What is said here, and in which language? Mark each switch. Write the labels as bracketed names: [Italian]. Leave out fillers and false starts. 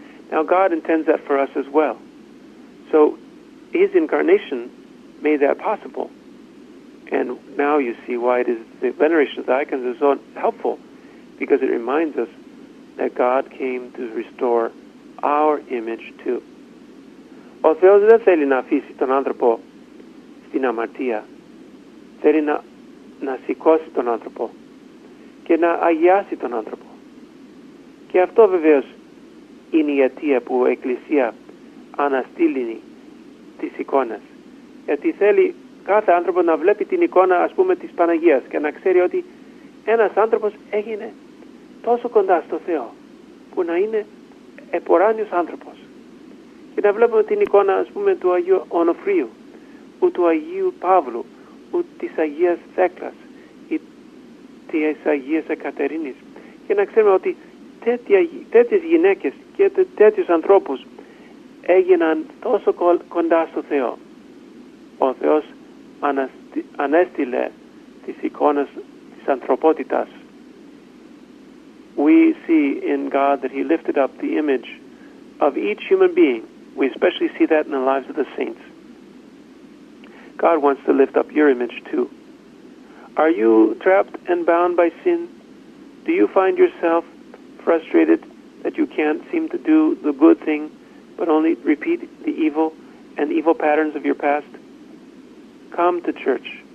[English] Now, God intends that for us as well. So his incarnation made that possible. And now you see why it is the veneration of the icons is so helpful, because it reminds us that God came to restore our image too. [Greek] Ο Θεός δεν θέλει να αφήσει τον άνθρωπο στην αμαρτία. Θέλει να σηκώσει τον άνθρωπο και να αγιάσει τον άνθρωπο. Και αυτό βεβαίως είναι η αιτία που η Εκκλησία αναστήλει τις εικόνες. Γιατί θέλει κάθε άνθρωπο να βλέπει την εικόνα, ας πούμε, της Παναγίας και να ξέρει ότι ένας άνθρωπος έγινε τόσο κοντά στο Θεό που να είναι επωράνιος άνθρωπος. Και να βλέπουμε την εικόνα, ας πούμε, του Αγίου Ονοφρίου ή του Αγίου Παύλου ή της Αγίας Θέκλας ή της Αγίας Εκατερίνης. Και να ξέρουμε ότι τέτοιες γυναίκες και τέτοιους ανθρώπους έγιναν τόσο κοντά στο Θεό. Ο Θεός ανέστειλε τις εικόνες της ανθρωπότητας. [English] We see in God that he lifted up the image of each human being. We especially see that in the lives of the saints. God wants to lift up your image too. Are you trapped and bound by sin? Do you find yourself frustrated that you can't seem to do the good thing but only repeat the evil and evil patterns of your past? Come to church.